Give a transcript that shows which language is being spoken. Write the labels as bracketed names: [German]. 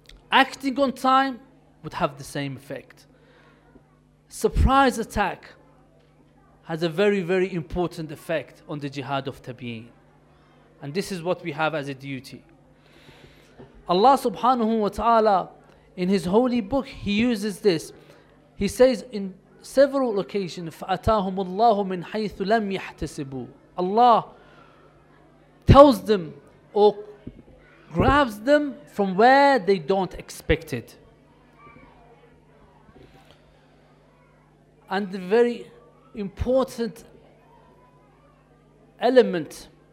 [English] Acting on time would have the same effect. Surprise attack has a very, very important effect on the Jihad of Tabi'in. And this is what we have as a duty. Allah subhanahu wa ta'ala, in his holy book, he uses this. He says in several occasions, [Arabic] فَأَتَاهُمُ اللَّهُ مِنْ حَيْثُ لَمْ يَحْتَسِبُوا. [English] Allah tells them or grabs them from where they don't expect it. And the very important element